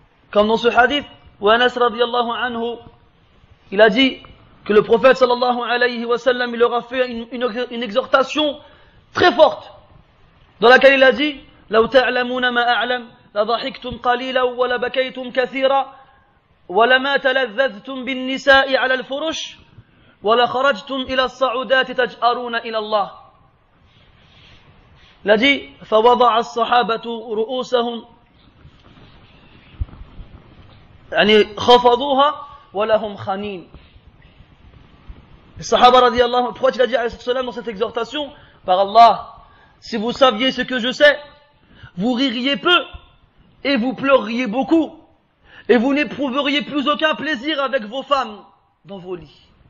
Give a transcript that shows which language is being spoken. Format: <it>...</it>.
<fr>Comme dans ce hadith, où Anas,</fr> <ar>radiyallahu anhu,</ar> <fr>il a dit que le prophète,</fr> <ar>sallallahu alayhi wa sallam,</ar> <fr>il leur a fait une exhortation très forte, dans laquelle il a dit,</fr> <ar>لو تعلمون ما أعلم لضحكتم قليلا ولبكيتم كثيرا ولما تلذذتم بالنساء على الفرش ولخرجتم إلى الصعودات تجأرون إلى الله.</ar> <fr>Il a dit,</fr> <ar>فوضع الصحابة رؤوسهم يعني خفضوها ولهم خنين.</ar> <fr>Les sahaba radiallahu, pourquoi tu l'as dit</fr> <ar>alayhi salam</ar> <fr>dans cette exhortation? Par Allah, si vous saviez ce que je sais, vous ririez peu et vous pleureriez beaucoup et vous n'éprouveriez plus aucun plaisir avec vos femmes dans vos lits.</fr>